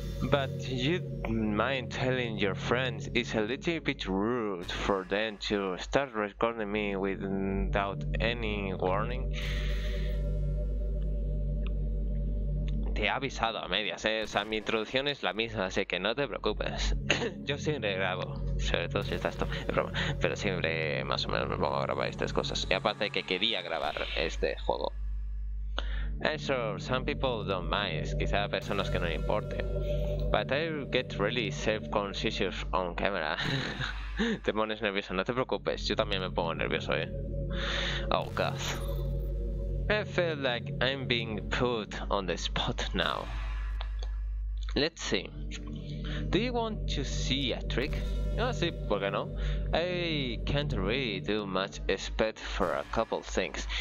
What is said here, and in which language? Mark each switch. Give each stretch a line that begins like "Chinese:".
English: But you'd mind telling your friends it's a little bit rude for them to start recording me without any warning.
Spanish: Te he avisado a medias, ¿eh? O sea, mi introducción es la misma, así que no te preocupes. Yo siempre grabo, sobre todo si está esto, es broma, pero siempre más o menos me pongo a grabar estas cosas. Y aparte que quería grabar este juego.
English: I'm sure some people don't mind,
Spanish: quizá a personas que no le importe.
English: But I get really self-conscious on camera.
Spanish: Te pones nervioso, no te preocupes, yo también me pongo nervioso, ¿eh?
English: Oh, God. I feel like I'm being put on the spot now. Let's see. Do you want to see a trick?
Spanish: Ah, sí, ¿por qué no?
English: I can't really do much except for a couple things.